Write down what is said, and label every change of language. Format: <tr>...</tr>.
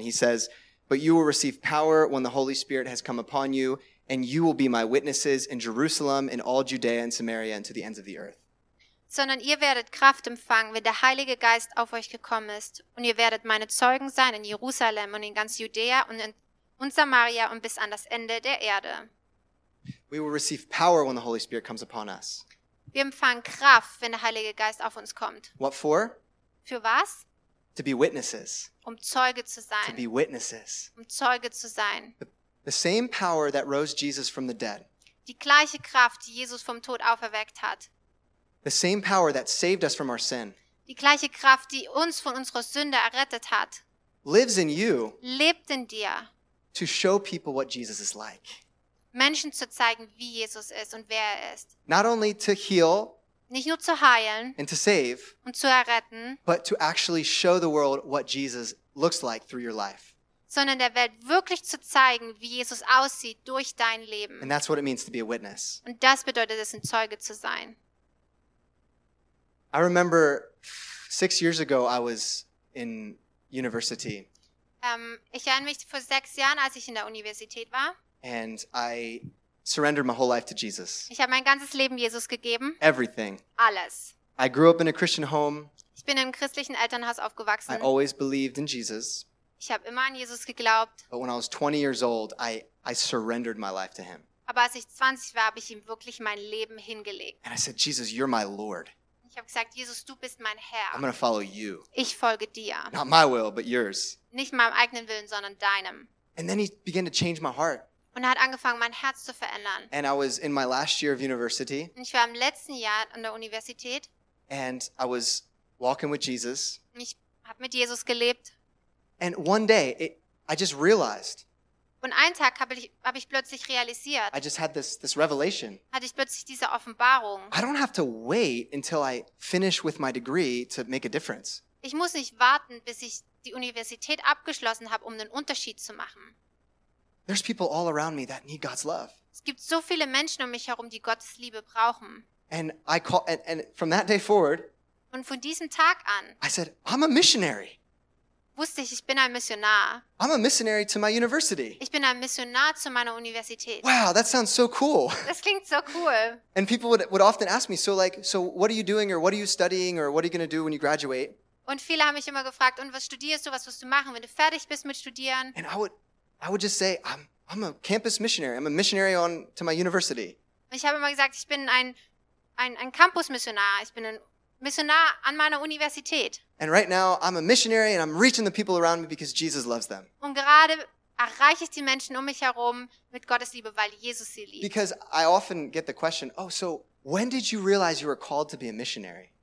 <en>He says, but you will receive power when the Holy Spirit has come upon you, and you will be my witnesses in Jerusalem, in all Judea and Samaria, and to the ends of the earth.</en> <de>Sondern ihr werdet Kraft empfangen, wenn der Heilige Geist auf euch gekommen ist. Und ihr werdet meine Zeugen sein in Jerusalem und in ganz Judäa und in Samaria und bis an das Ende der Erde.</de> <en>We will receive power when the Holy Spirit comes upon us.</en> <de>Wir empfangen Kraft, wenn der Heilige Geist auf uns kommt.</de> <en>What for?</en> <de>Für was?</de> <en>To be witnesses.</en> <de>Um Zeuge zu sein.</de> <en>To be witnesses.</en> <de>Um Zeuge zu sein.</de> <en>The same power that rose Jesus from the dead.</en> <de>Die gleiche Kraft, die Jesus vom Tod auferweckt hat.</de> <en>The same power that saved us from our sin.</en> <de>Die gleiche Kraft, die uns von unserer Sünde errettet hat.</de> <en>Lives in you.</en> <de>Lebt in dir.</de> <en>To show people what Jesus is like.</en> <de>Menschen zu zeigen, wie Jesus ist und wer er ist.</de> <en>Not only to heal.</en> <de>Nicht nur zu heilen.</de> <en>And to save.</en> <de>Und zu erretten.</de> <en>But to actually show the world what Jesus looks like through your life.</en> <de>Sondern der Welt wirklich zu zeigen, wie Jesus aussieht durch dein Leben.</de> <en>And that's what it means to be a witness.</en> <de>Und das bedeutet es, ein Zeuge zu sein.</de> <en>I remember 6 years ago I was in university.</en> <de>Ich erinnere mich vor 6 Jahren, als ich in der Universität war.</de> <en>And I surrendered my whole life to Jesus.</en> <de>Ich habe mein ganzes Leben Jesus gegeben.</de> <en>Everything.</en> <de>Alles.</de> <en>I grew up in a Christian home.</en> <de>Ich Ich bin im christlichen Elternhaus aufgewachsen.</de> <en>I always believed in Jesus.</en> <de>Ich habe immer an Jesus geglaubt.</de> <en>But when I was 20 years old, I surrendered my life to him.</en> <de>Aber als ich 20 war, habe ich ihm wirklich mein Leben hingelegt.</de> <en>And I said, Jesus, you're my Lord.</en> <de>Ich habe gesagt, Jesus, du bist mein Herr.</de> <en>I'm gonna follow you.</en> <de>Ich folge dir.</de> <en>Not my will, but yours.</en> <de>Nicht meinem eigenen Willen, sondern deinem.</de> <en>And then he began to change my heart.</en> <de>Und er hat angefangen, mein Herz zu verändern.</de> <en>And I was in my last year of university.</en> <de>Und ich war im letzten Jahr an der Universität.</de> <en>And I was walking with Jesus.</en> <de>Ich habe mit Jesus gelebt.</de> <en>And one day, I just realized.</en> <de>Und einen Tag habe ich plötzlich realisiert.</de> <en>I just had this revelation.</en> <de>Hatte ich plötzlich diese Offenbarung.</de> <en>I don't have to wait until I finish with my degree to make a difference.</en> <de>Ich muss nicht warten, bis ich die Universität abgeschlossen habe, um einen Unterschied zu machen.</de> <en>There's people all around me that need God's love.</en> <de>Es gibt so viele Menschen um mich herum, die Gottes Liebe brauchen.</de> <en>And from that day forward.</en> <de>Und von diesem Tag an.</de> <en>I said, I'm a missionary.</en> <de>Wusste ich bin ein Missionar.</de> <en>I'm a missionary to my university.</en> <de>Ich bin ein Missionar zu meiner Universität.</de> <en>Wow, that sounds so cool.</en> <de>Das klingt so cool.</de> <en>And people would often ask me, so what are you doing or what are you studying or what are you going to do when you graduate?</en> <de>Und viele haben mich immer gefragt, und was studierst du, was wirst du machen, wenn du fertig bist mit studieren?</de> <en>And I would just say, I'm a campus missionary. I'm a missionary on to my university.</en> <de>Ich habe immer gesagt, ich bin ein Campus Missionar. Ich bin ein Missionar an meiner Universität.</de> <en>And right now I'm a missionary and I'm reaching the people around me because Jesus loves them.</en> <de>Und gerade erreiche ich die Menschen um mich herum mit Gottes Liebe, weil Jesus sie liebt.</de> <en>Because I often get the question, oh, so when did you realize you were called to be a missionary?</en>